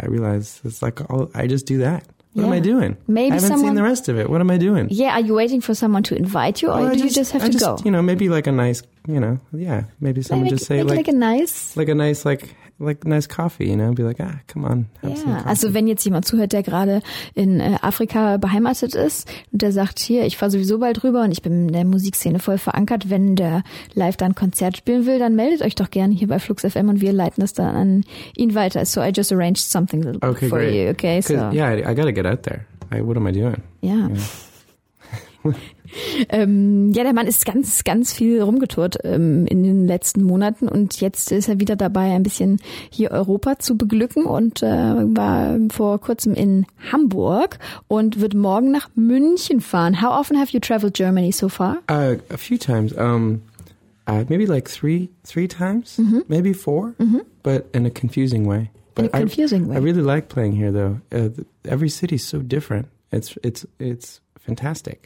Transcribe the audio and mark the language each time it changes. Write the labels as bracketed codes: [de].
[en] I realize it's like, I just do that. What am I doing? Maybe I haven't seen the rest of it. What am I doing? Yeah, are you waiting for someone to invite you, or do you just have to go? You know, maybe like a nice, you know, yeah. Maybe someone like a nice coffee, you know, be like, ah, come on, have some coffee. [de] Also wenn jetzt jemand zuhört, der gerade in Afrika beheimatet ist und der sagt, hier, ich fahre sowieso bald rüber und ich bin in der Musikszene voll verankert, wenn der live dann Konzert spielen will, dann meldet euch doch gerne hier bei Flux FM und wir leiten das dann an ihn weiter. [en] So I just arranged something for you, okay? So. Yeah, I gotta get out there. What am I doing? Yeah. [de] der Mann ist ganz, ganz viel rumgetourt in den letzten Monaten und jetzt ist er wieder dabei, ein bisschen hier Europa zu beglücken und war vor kurzem in Hamburg und wird morgen nach München fahren. [en] How often have you traveled Germany so far? A few times. Maybe like three times, maybe four, but in a confusing way. In a confusing way. I really like playing here though. Every city is so different. It's fantastic.